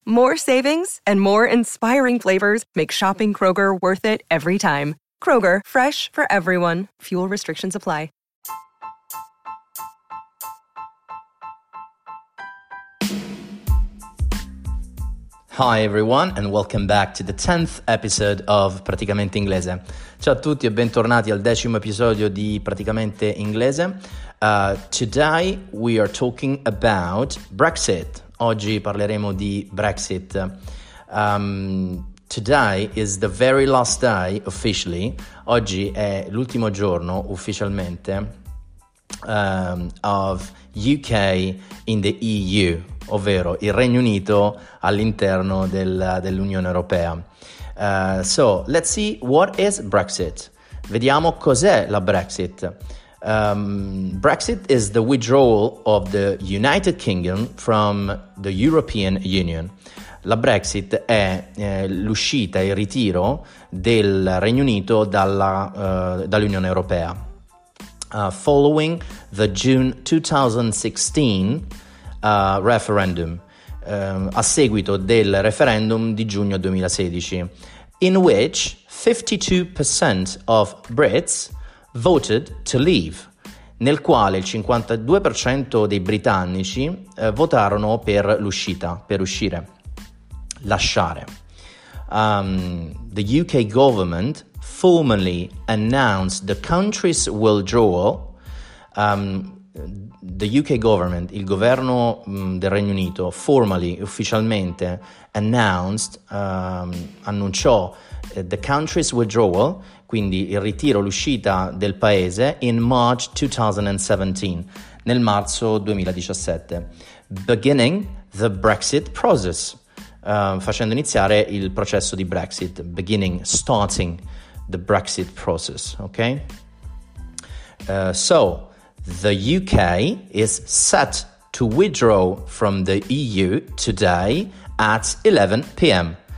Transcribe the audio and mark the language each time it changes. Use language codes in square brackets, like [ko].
[en] More savings and more inspiring flavors make shopping Kroger worth it every time. Kroger, fresh for everyone. Fuel restrictions apply. Hi everyone and welcome back to the 10th episode of Praticamente Inglese. [it] Ciao a tutti e bentornati al 10° episodio di Praticamente Inglese. [en] Today we are talking about Brexit. [it] Oggi parleremo di Brexit. [en] Today is the very last day officially. [it] Oggi è l'ultimo giorno ufficialmente [en] of UK in the EU, [it] ovvero il Regno Unito all'interno dell'Unione Europea. [en] So let's see what is Brexit. [it] Vediamo cos'è la Brexit. [en] Brexit is the withdrawal of the United Kingdom from the European Union. [it] La Brexit è l'uscita e il ritiro del Regno Unito dall'Unione Europea. [en] Following the June 2016 referendum, [it] a seguito del referendum di giugno 2016, [en] in which 52% of Brits voted to leave, [it] nel quale il 52% dei britannici votarono per l'uscita, per uscire, lasciare. [en] The UK government formally announced the country's withdrawal. The UK government, [it] il governo del Regno Unito, formally, ufficialmente, announced, annunciò [en] the country's withdrawal, [it] quindi il ritiro, l'uscita del paese, [en] in March 2017, [it] nel marzo 2017, [en] beginning the Brexit process, [it] facendo iniziare il processo di Brexit, [en] beginning, starting the Brexit process, okay? So, the UK is set to withdraw from the EU today at 11 p.m.